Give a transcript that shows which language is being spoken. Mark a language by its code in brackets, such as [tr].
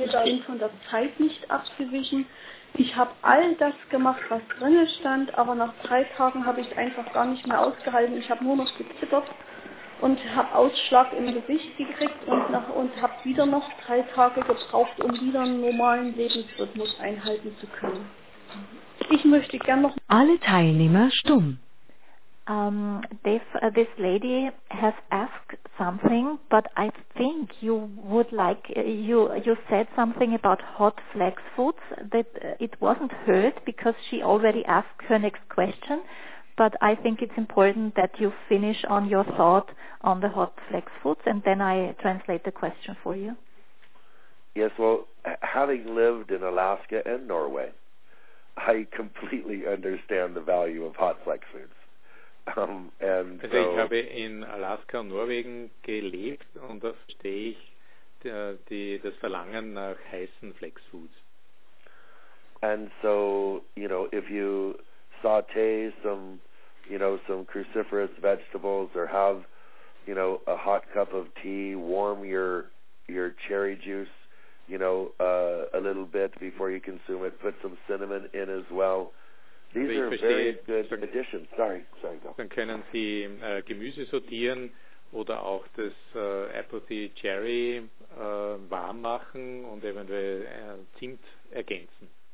[de] Ich bin von der Zeit nicht abgewichen. Ich habe all das gemacht, was drin stand, aber nach 3 Tagen habe ich einfach gar nicht mehr ausgehalten. Ich habe nur noch gezittert und habe Ausschlag im Gesicht gekriegt und habe wieder noch 3 Tage gebraucht, um wieder einen normalen Lebensrhythmus einhalten zu können. Ich möchte gern noch... Alle Teilnehmer stumm. [en] This lady has asked something, but I think you would like, you said something about hot flex foods, that it wasn't heard because she already asked her next question, but I think it's important that you finish on your thought on the hot flex foods, and then I translate the question for you. Yes, well, having lived in Alaska and Norway, I completely understand the value of hot flex foods. [de] Also ich habe in Alaska und Norwegen gelebt und da verstehe ich das Verlangen nach heißen Flexfoods. [en] And so, you know, if you saute some cruciferous vegetables or have, you know, a hot cup of tea, warm your cherry juice, you know, a little bit before you consume it, put some cinnamon in as well. These are very good additions. Sorry, go. [de] Dann können Sie Gemüse sortieren oder auch das Apple Tea Cherry warm machen und eventuell Zimt ergänzen.